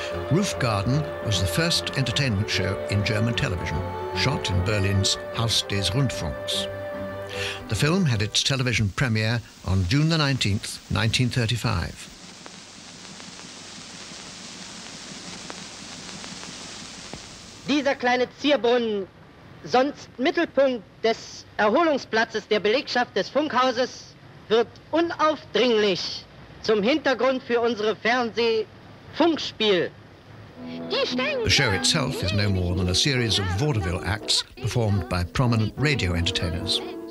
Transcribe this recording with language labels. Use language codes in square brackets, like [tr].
[en] Roof Garden was the first entertainment show in German television, shot in Berlin's Haus des Rundfunks. The film had its television premiere on June the 19th, 1935. [de] Dieser kleine Zierbrunnen, sonst Mittelpunkt des Erholungsplatzes der Belegschaft des Funkhauses, wird unaufdringlich zum Hintergrund für unsere Fernsehfunkspiel. [en] The show itself is no more than a series of vaudeville acts performed by prominent radio entertainers.